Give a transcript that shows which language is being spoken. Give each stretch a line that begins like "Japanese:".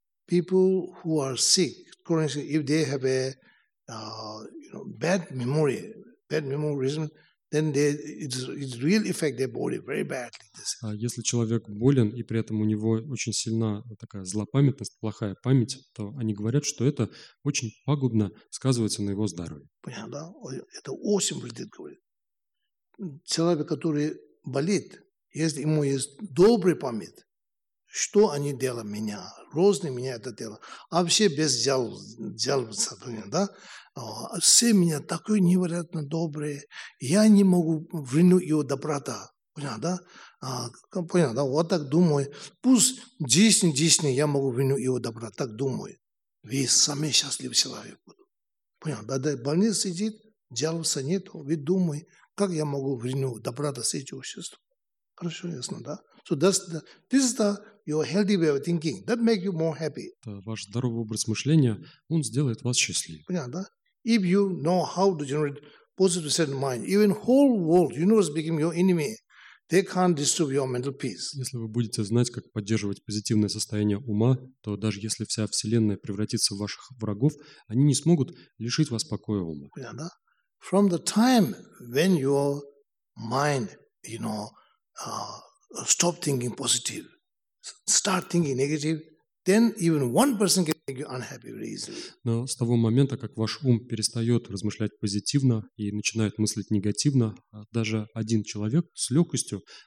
English: People who are sick, currently, if they have a you know, bad memory reason, then they, it really affect their body very badly.
Russian: Если человек болен и при этом у него очень сильна такая злопамятность, плохая память, то они говорят, что это очень пагубно сказывается на его здоровье. Понятно, да? Это очень вредит, говорит. Человек, который болит, если ему есть добрая память, что они делают меня, разные меня это дело, вообще без жалобца, да? Все меня такой невероятно добрые, я не могу вернуть его доброта, понятно, да? Понятно, да? Вот так думаю, пусть десни, я могу вернуть его доброта, так думаю. Вы самый счастливый человек будут. Понятно, да? В больнице сидит, жалобца нет, вы думай, как я могу вернуть доброта с этим обществом. Хорошо, ясно, да?
English: So that's the, this is the your healthy way of thinking. That makes you more happy.
Russian: Это ваш здоровый образ мышления, он сделает вас счастливее. Понятно, да?
English: If you know how to generate positive sentient mind, even whole world, universe became your enemy. They can't disturb your mental peace.
Russian: Если вы будете знать, как поддерживать позитивное состояние ума, то даже если вся вселенная превратится в ваших врагов, они не смогут лишить вас покоя ума. Понятно, да?
English: From the time when your mind, you know, stop thinking positive, start thinking negative, then even one person can make you unhappy very easily.
Russian: Но с того момента, как ваш ум перестает размышлять позитивно и начинает мыслить негативно, даже один человек с легкостью